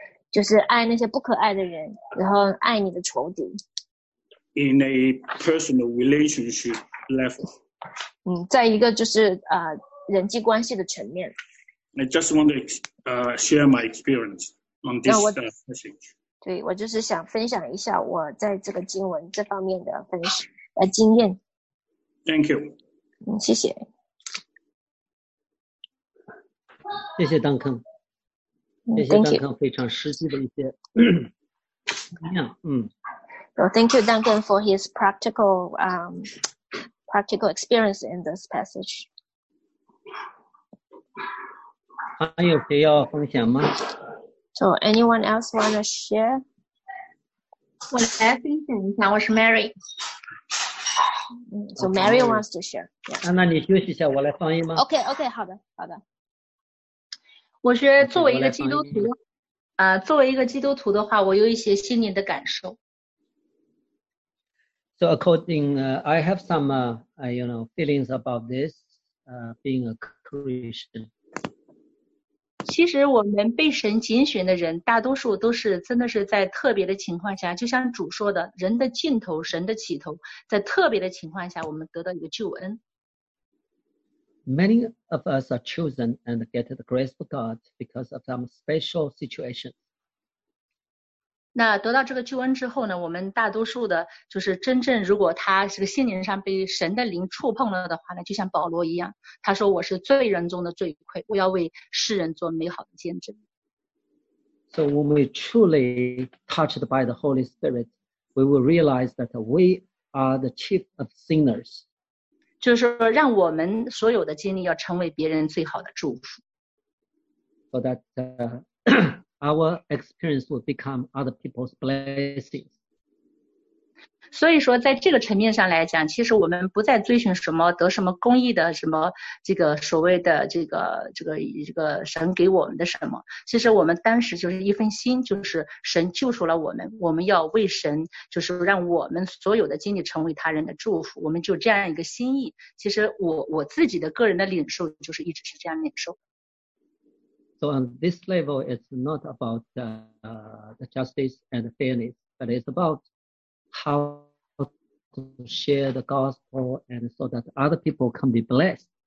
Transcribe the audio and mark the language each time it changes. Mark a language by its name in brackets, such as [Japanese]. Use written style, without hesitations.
[Chinese] 就是爱那些不可爱的人，然后爱你的仇敌。 [English] In a personal relationship level. [Chinese] 在一个就是人际关系的层面。 [English] I just want to share my experience on this passage. [Chinese] 对，我就是想分享一下我在这个经文这方面的分析经验。 [English] Thank you. [Chinese] 谢谢。谢谢邓肯。谢谢邓肯非常实际的一些经验。 [English] Thank you, Duncan, for his practical experience in this passage. [Chinese] 还有谁要分享吗 [English] ？So anyone else want to share? [Chinese] 我来分享一下，我是 Mary。 [English] So Mary wants to share.、Yeah. [Chinese] 那你休息一下，我来翻译吗？OK， 好的，好的。我是作为一个基督徒，作为一个基督徒的话，我有一些心灵的感受。 [English] So according, I have some, feelings about this, being a Christian. [Chinese] 其实我们被神拣选的人大多数都是真的是在特别的情况下就像主说的人的尽头神的起头在特别的情况下我们得到一个救恩 [English] Many of us are chosen and get the grace of God because of some special situation [Chinese] 那得到这个救恩之后呢我们大多数的就是真正如果他是个心灵上被神的灵触碰了的话呢就像保罗一样他说我是罪人中的罪魁我要为世人做美好的见证 [English] So when we truly touched by the Holy Spirit we will realize that we are the chief of sinners [Chinese] 就是说让我们所有的经历要成为别人最好的祝福 [English] For thatOur experience will become other people's blessings. [Chinese] 所以说在这个层面上来讲，其实我们不再追寻什么得什么公义的什么这个所谓的这个神给我们的什么，其实我们当时就是一份心，就是神救赎了我们，我们要为神，就是让我们所有的经历成为他人的祝福，我们就这样一个心意。其实我自己的个人的领受就是一直是这样领受。 [English] So on this level, it's not about the justice and fairness, but it's about how to share the gospel and so that other people can be blessed.